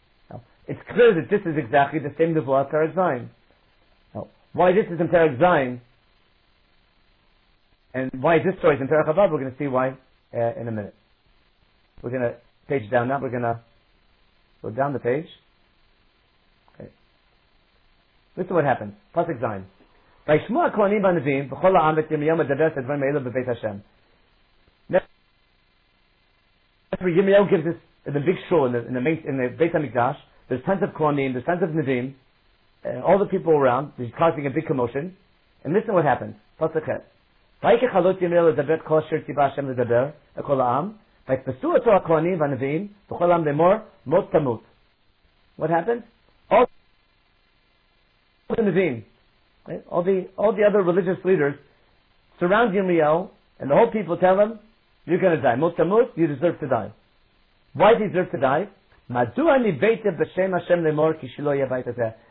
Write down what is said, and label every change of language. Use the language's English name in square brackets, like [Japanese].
[English] Now, it's clear that this is exactly the same Nevuah Perek Zayin. Now, why this is in Perek Zayin, and why this story is in Perek Chabad, we're going to see why in a minute. We're going to page down now. We're going to go down the page. Okay. Listen what happens. Pasuk Zayin. [Hebrew] וישמו הכהנים והנביאים בכל העם את ירמיהו מדבר את הדברים האלו בבית השם. [English] Yirmiyahu gives this in the big shul in the Beit HaMikdash. There's tons of kohanim, there's tons of nevi'im, all the people around. He's causing a big commotion. And listen what happens. Pasuk Ches. [Hebrew] ויקח עלות ירמיהו לדבר כל אשר ציווה השם לדבר על כל העם. ויתפסו אותו הכהנים והנביאים בכל העם לאמור מות תמות. [English] What happens? All the נביאים. All the other religious leaders surround Yirmiyahu, and the whole people tell him, "You're going to die. [Hebrew] Mot tamut, [English] you deserve to die." Why do you deserve to die? [Hebrew] Madu ani beitev b'shem Hashem lemor ki Shiloh yevayt hazeh.